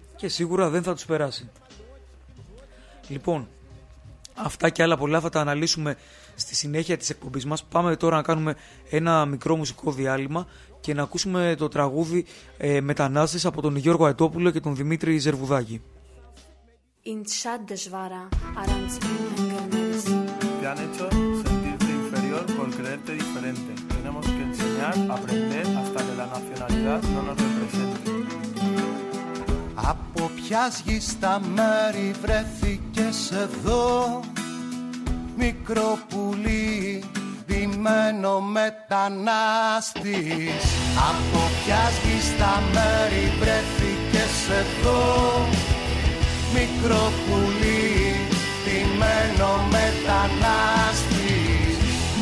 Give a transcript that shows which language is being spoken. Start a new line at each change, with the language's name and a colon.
Greek: Και σίγουρα δεν θα τους περάσει. Λοιπόν, αυτά και άλλα πολλά θα τα αναλύσουμε στη συνέχεια της εκπομπής μας. Πάμε τώρα να κάνουμε ένα μικρό μουσικό διάλειμμα και να ακούσουμε το τραγούδι «Μετανάστες» από τον Γιώργο Αετόπουλο και τον Δημήτρη Ζερβουδάκη. In Chades Vara, Arantz Mingenes.
Spanish: Te han hecho sentirte inferior por creerte diferente. Tenemos que enseñar, aprender hasta que la nacionalidad no nos represente.
Greek: Από ποιας γης τα μέρη βρέθηκες εδώ, μικρό πουλί, ντυμένο μετανάστης. Από ποιας γης τα μέρη βρέθηκες εδώ, μικρό πουλί, ντυμένο μετανάστης.